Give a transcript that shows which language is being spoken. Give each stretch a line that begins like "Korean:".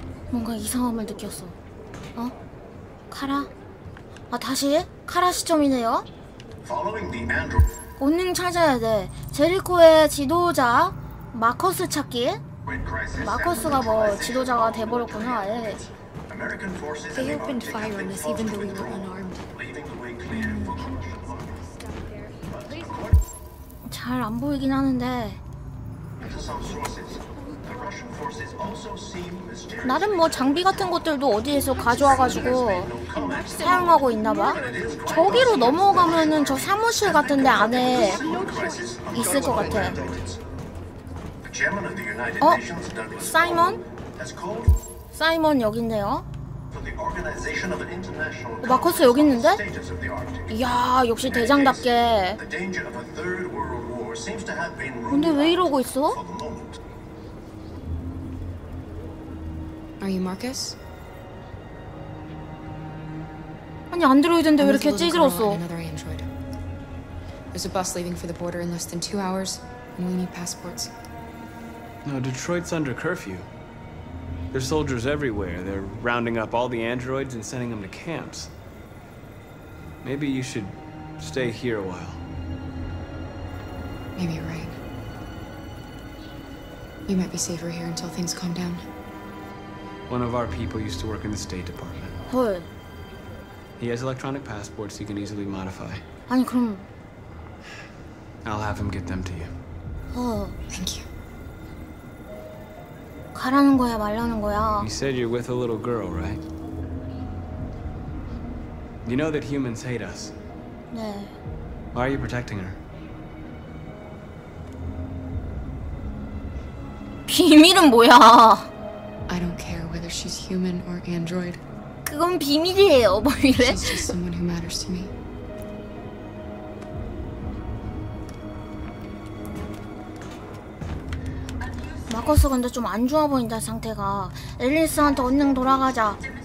Korean: 뭔가 이상함을 느꼈어. 어? 카라? 아, 다시? 카라 시점이네요. 온닝 찾아야 돼. 제리코의 지도자 마커스 찾기. 마커스가 뭐 지도자가 돼버렸구나. 예.
English: They opened fire on us even though we were unarmed.
Korean: 잘 안 보이긴 하는데. 나름 뭐 장비 같은 것들도 어디에서 가져와가지고 사용하고 있나봐. 저기로 넘어가면은 저 사무실 같은데 안에 있을 것 같아. 어? 사이먼? 사이먼 여기 있네요. 어, 마커스 여기 있는데? 이야, 역시 대장답게. 근데 왜 이러고 있어?
English: Are you Marcus?
Korean: 아니, 안드로이드인데 왜 이렇게 찌질었어?
English: There's a bus leaving for the border in less than 2 hours, and we need passports. No, Detroit's under curfew. There's soldiers everywhere. They're rounding up all the androids and sending them to camps. Maybe you should stay here a while. Maybe you're right. You might be safer here until things calm down. One of our people used to work in the State Department.
Korean: 헐.
English: He has electronic passports he can easily modify.
Korean: 아니, 그럼.
English: I'll have him get them to you.
Korean: 헐.
English: Thank you.
Korean: 가라는 거야, 말라는 거야?
English: You said you're with a little girl, right? You know that humans hate us.
Korean: 네.
English: Why are you protecting her?
Korean: 비밀은 뭐야?
English: I don't care whether she's human or android.
Korean: 그건 비밀이에요, 뭐 이래?
English: She's just someone who matters to me.
Korean: 마커스 근데 좀 안 좋아 보인다 상태가. 앨리스한테 언니 돌아가자.